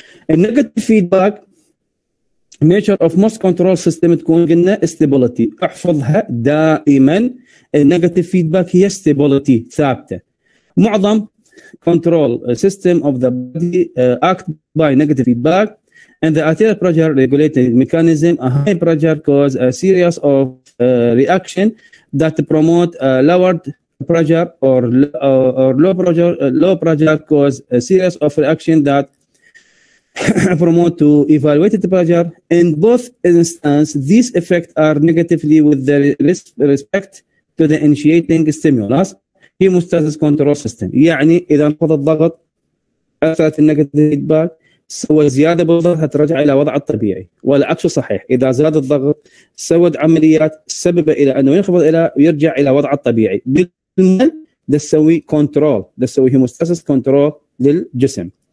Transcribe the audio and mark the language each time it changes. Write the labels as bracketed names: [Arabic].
[English] النيجاتيف feedback nature of most control system [Arabic] تكون قلنا [English] stability, [Arabic] احفظها دائما [English] النيجاتيف فيدباك [Arabic] هي [English] stability [Arabic] ثابتة. معظم [English] Control system of the body act by negative feedback. And the arterial pressure regulating mechanism, a high pressure cause a series of reaction that promote lowered pressure or low pressure. Low pressure cause a series of reaction that promote to evaluated pressure. In both instances, these effects are negatively with the respect to the initiating stimulus. Hemostasis control system. [Arabic] يعني إذا انخفض الضغط أثرت النيجاتيف فيدباك. سوى زيادة بالضغط هترجع إلى وضع الطبيعي، والعكس صحيح، إذا زاد الضغط سود عمليات سبب إلى أنه ينخفض إلى ويرجع إلى وضع الطبيعي. بالمجمل تسوي كنترول، تسوي هيموستاسيس كنترول للجسم.